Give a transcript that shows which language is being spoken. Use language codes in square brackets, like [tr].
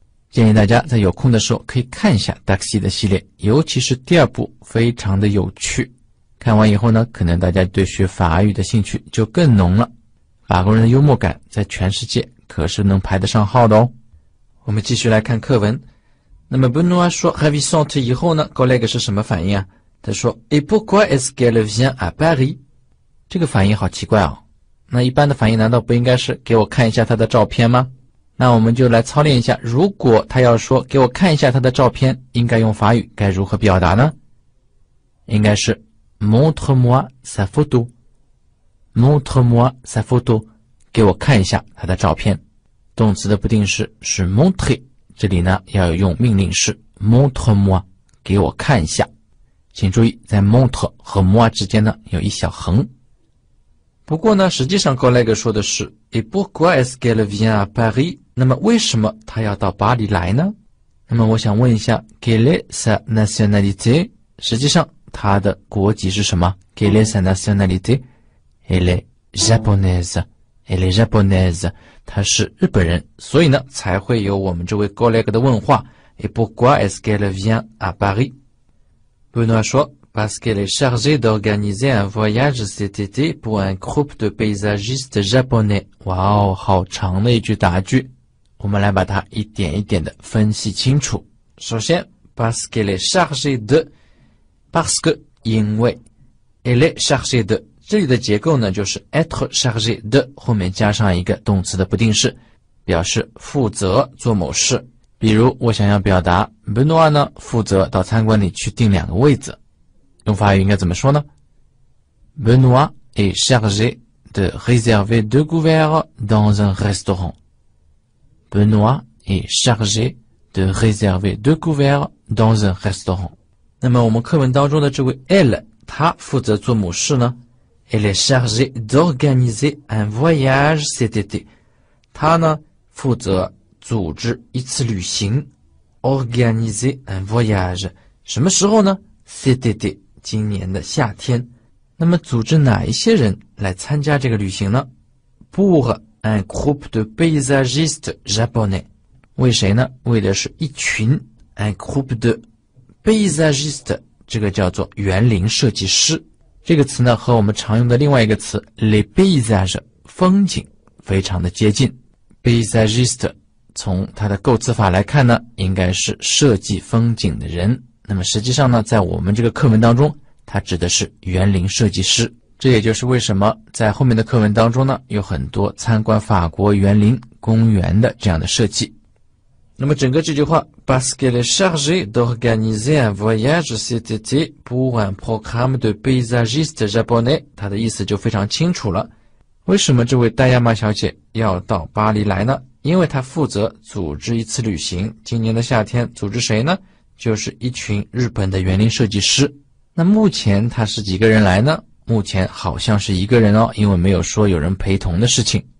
[zh] 建议大家在有空的时候可以看一下 Taxi 的系列，尤其是第二部非常的有趣。看完以后呢，可能大家对学法语的兴趣就更浓了。法国人的幽默感在全世界可是能排得上号的哦。我们继续来看课文。那么 Benoît 说 ravissant 以后呢， collègue 是什么反应啊？他说 [fr] Et pourquoi est-ce qu'elle vient à Paris？ [zh] 这个反应好奇怪哦。那一般的反应难道不应该是给我看一下他的照片吗？那我们就来操练一下，如果他要说给我看一下他的照片，应该用法语该如何表达呢？应该是 [fr] Montre-moi sa photo， Montre-moi sa photo， [zh] 给我看一下他的照片。动词的不定式是 montre，这里呢要用命令式 montre-moi， 给我看一下。请注意在 montre 和 moi 之间呢有一小横。不过呢实际上 collègue 说的是 [fr] Et pourquoi est-ce qu'elle vient à Paris？ [zh] 那么为什么他要到巴黎来呢？那么我想问一下 [fr] Quelle est sa nationalité？ [zh] 实际上他的国籍是什么？ [fr] Quelle est sa nationalité？ Elle est japonaise。 Elle est japonaise， [zh] 她是日本人，所以呢才会有我们这位 collègue 的问话 [fr] Et pourquoi est-ce qu'elle vient à Paris？ Benoît [zh] 说 [fr] Parce qu'elle est chargée d'organiser un voyage cet été pour un groupe de paysagistes japonais。 [zh] 哇哦，好长的一句答句，我们来把它一点一点的分析清楚。首先 [fr] Parce qu'elle est chargée de， [zh] Parce que， 因为 Elle est chargée de，这里的结构呢就是 être chargé de 后面加上一个动词的不定式，表示负责做某事。比如我想要表达 Benoît 呢负责到餐馆里去订两个位子，用法语应该怎么说呢？ [fr] Benoît est chargé de réserver deux couverts dans un restaurant。 Benoît est chargé de réserver deux couverts dans un restaurant。 [zh] 那么我们课文当中的这位 elle 他负责做某事呢？ [fr] Elle est chargée d'organiser un voyage cet été。 [zh] 她呢负责组织一次旅行。 [fr] Organiser un voyage， [zh] 什么时候呢？ [fr] Cet été， [zh] 今年的夏天。那么组织哪一些人来参加这个旅行呢？ [fr] pour un groupe de paysagistes japonais. [zh] 为谁呢？为的是一群 [fr] un groupe de paysagistes， [zh] 这个叫做园林设计师。这个词呢和我们常用的另外一个词 les paysages 风景非常的接近。 paysagiste 从它的构词法来看呢，应该是设计风景的人。那么实际上呢，在我们这个课文当中，它指的是园林设计师。这也就是为什么在后面的课文当中呢，有很多参观法国园林公园的这样的设计。那么整个这句话 [fr] parce qu'elle est chargée d'organiser un voyage cet été pour un programme de paysagistes japonais， [zh] 它的意思就非常清楚了。为什么这位戴亚玛小姐要到巴黎来呢？因为她负责组织一次旅行。今年的夏天组织谁呢？就是一群日本的园林设计师。那目前她是几个人来呢？目前好像是一个人哦，因为没有说有人陪同的事情。